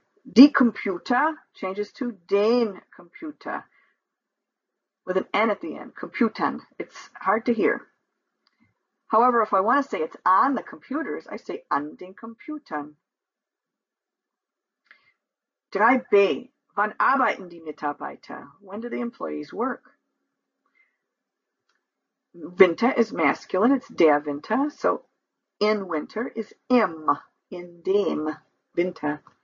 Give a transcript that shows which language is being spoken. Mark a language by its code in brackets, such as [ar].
[de] Die Computer [en] changes to [de] den Computer, [en] with an N at the end, Computen. It's hard to hear. However, if I want to say it's on the computers, I say [de] an den Computern. 3b, wann arbeiten die Mitarbeiter? [en] When do the employees work? Winter is masculine, it's [de] der Winter, [en] so in winter is im, [de] in dem Winter.